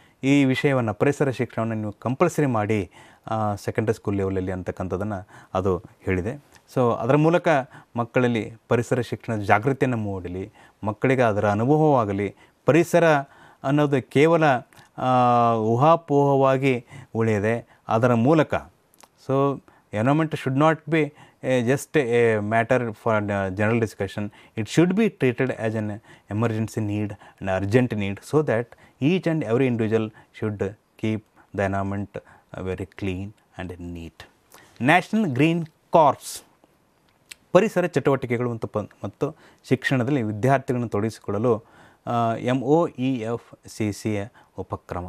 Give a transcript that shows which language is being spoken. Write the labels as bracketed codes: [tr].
[kn] ಈ ವಿಷಯವನ್ನು, ಪರಿಸರ ಶಿಕ್ಷಣವನ್ನು ನೀವು ಕಂಪಲ್ಸರಿ ಮಾಡಿ ಸೆಕೆಂಡ್ರಿ ಸ್ಕೂಲ್ ಲೆವೆಲಲ್ಲಿ ಅಂತಕ್ಕಂಥದ್ದನ್ನು ಅದು ಹೇಳಿದೆ. ಸೊ ಅದರ ಮೂಲಕ ಮಕ್ಕಳಲ್ಲಿ ಪರಿಸರ ಶಿಕ್ಷಣದ ಜಾಗೃತಿಯನ್ನು ಮೂಡಲಿ, ಮಕ್ಕಳಿಗೆ ಅದರ ಅನುಭವವಾಗಲಿ. ಪರಿಸರ ಅನ್ನೋದು ಕೇವಲ ಊಹಾಪೋಹವಾಗಿ ಉಳಿಯದೆ ಅದರ ಮೂಲಕ, [en] So environment should not be just a matter for general discussion. It should be treated as an emergency need, an urgent need, so that each and every individual should keep the environment very clean and neat. National Green Corps. [kn] ಪರಿಸರ ಚಟುವಟಿಕೆಗಳು ಮತ್ತು ಶಿಕ್ಷಣದಲ್ಲಿ ವಿದ್ಯಾರ್ಥಿಗಳನ್ನು ತೊಡಗಿಸಿಕೊಳ್ಳಲು MOEFCC ಉಪಕ್ರಮ.